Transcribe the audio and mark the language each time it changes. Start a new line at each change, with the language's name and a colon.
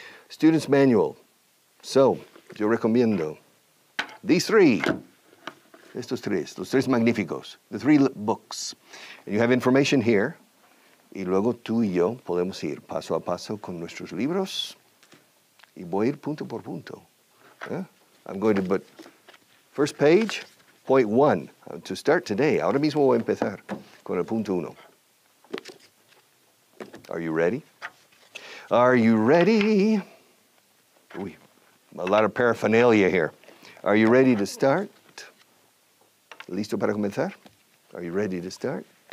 English: Student's Manual. So,
Spanish: yo recomiendo
English: these three.
Spanish: Estos tres, los tres magníficos,
English: the three books. And you have information here.
Spanish: Y luego tú y yo podemos ir paso a paso con nuestros libros. Y voy a ir punto por punto.
English: I'm going to, but first page, point one. To start today,
Spanish: ahora mismo voy a empezar con el punto uno.
English: Are you ready? Are you ready? Uy, a lot of paraphernalia here. Are you ready to start?
Spanish: ¿Listo para comenzar?
English: Are you ready to start?